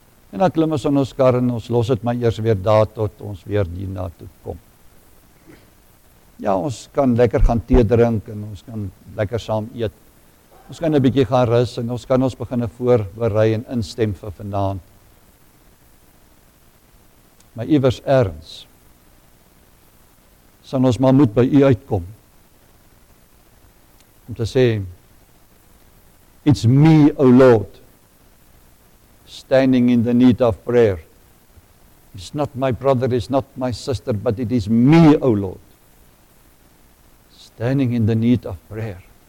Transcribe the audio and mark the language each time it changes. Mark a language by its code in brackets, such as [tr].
[af] En dan klim ons in ons kar en ons los het maar eers weer daar tot ons weer hierna toe kom. Ja, ons kan lekker gaan tee drink en ons kan lekker saam eet. Ons kan 'n bietjie gaan rus en ons kan ons begin voorberei en instem vir vanaand. Maar iewers erns sal ons maar moet by U uitkom. Om te sê, [en] it's me, O Lord, standing in the need of prayer. It's not my brother, it's not my sister, but it is me, O Lord, standing in the need of prayer.